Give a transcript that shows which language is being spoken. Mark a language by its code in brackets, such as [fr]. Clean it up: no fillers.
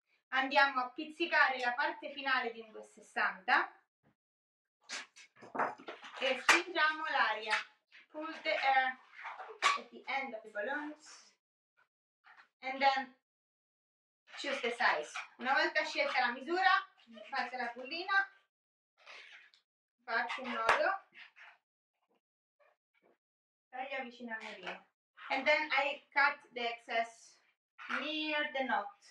[it] Andiamo a pizzicare la parte finale di un 260 e spingiamo l'aria. [en] Pull the air at the end of the balloons and then choose the size. [it] Una volta scelta la misura, fate la pullina, faccio un nodo, taglia vicino al nodo. [en] And then I cut the excess near the knot.